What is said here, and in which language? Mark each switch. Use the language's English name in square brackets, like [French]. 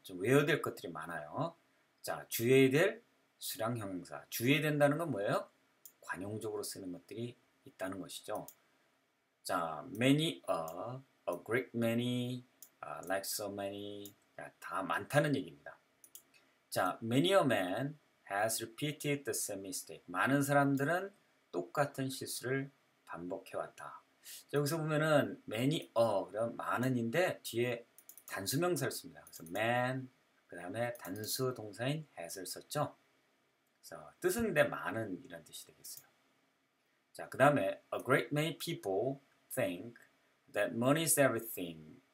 [Korean] 좀 외워야 될 것들이 많아요. 자, 주의해야 될 수량 형용사. 주의해야 된다는 건 뭐예요? 관용적으로 쓰는 것들이 있다는 것이죠. [English] 자, many, a great many, like so many. [Korean] 자, 다 많다는 얘기입니다. [English] 자, many a man has repeated the same mistake. [Korean] 많은 사람들은 똑같은 실수를 반복해왔다. 자, 여기서 보면은 many a 그럼 많은인데 뒤에 단수명사를 씁니다. 그래서 man 그 다음에 단수 동사인 has을 썼죠. 그래서 뜻은 근데 많은 이런 뜻이 되겠어요. [English] 자, 그 다음에 a great many people think that money is everything.